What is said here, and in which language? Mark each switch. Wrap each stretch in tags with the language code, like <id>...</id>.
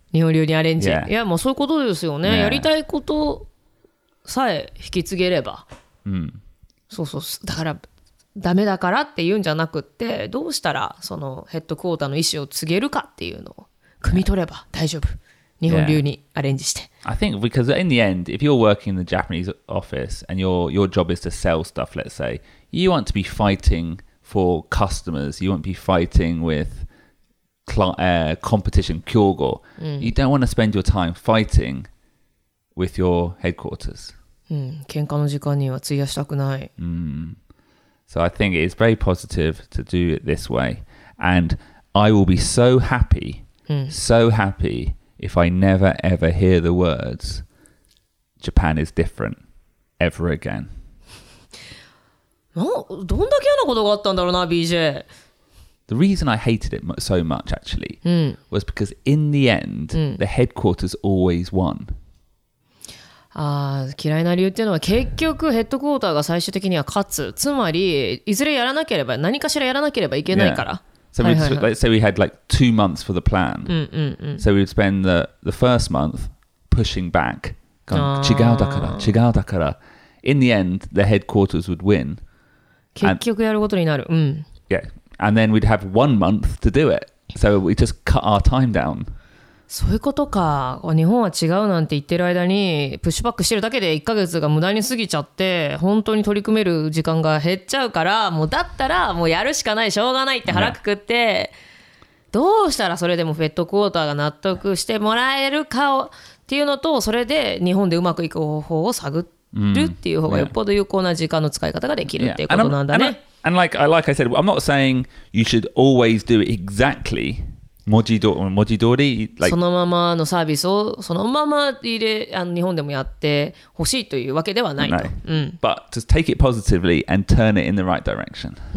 <ja>日本流にアレンジ、yeah. いやもうそういうことですよね、yeah. やりたいことさえ引き継げれば、 mm. そうそう、だからダメだからって言うんじゃなくって、どうしたらそのヘッドクォーターの意思を継げるかっていうのを汲み取れば大丈夫。日本流にアレンジして。</ja> <en>Yeah. I think because in the end, if you're working in the Japanese office and your job is to sell stuff, let's say, you want to be fighting for customers. You want to be fighting with competition, kyogo. You don't want to spend your time fighting with your headquarters.</en> <ja>喧嘩の時間には費やしたくない。</ja> <en>So I think it's very positive to do it this way. And I will be so happy, so happy if I never ever hear the words Japan is different ever again.</en> <ja>どんだけ嫌なことがあったんだろうな、BJ。</ja> <en>The reason I hated it so much actually was because in the end, the headquarters always won.</en> <ja>あ、嫌いな理由っていうのは結局ヘッドクォーターが最終的には勝つ。つまりいずれやらなければ、何かしらやらなければいけないから。</ja> <en>So we, let's say we had like 2 months for the plan. So we would spend the first month pushing back.</en> <ja>違うだから、違うだから。</ja> <en>In the end, the headquarters would win.</en> <ja>結局やることになる。</ja> <en>Yeah, and then we'd have 1 month to do it. So we just cut our time down.</en> <ja>そういうことか。日本は違うなんて言ってる間にプッシュバックしてるだけで1ヶ月が無駄に過ぎちゃって、本当に取り組める時間が減っちゃうから、もうだったらもうやるしかない、しょうがないって腹くくって、どうしたらそれでもフェットクォーターが納得してもらえるかをっていうのと、それで日本でうまくいく方法を探るっていう方がよっぽど有効な時間の使い方ができるっていうことなんだね。</ja> <en>And like I said, I'm not saying you should always do it exactly文字通り、like、</en> <ja>そのままのサービスをそのまま入れ、日本でもやってほしいというわけではないと。</ja> <en>But just take it positively and turn it in the right direction.</en>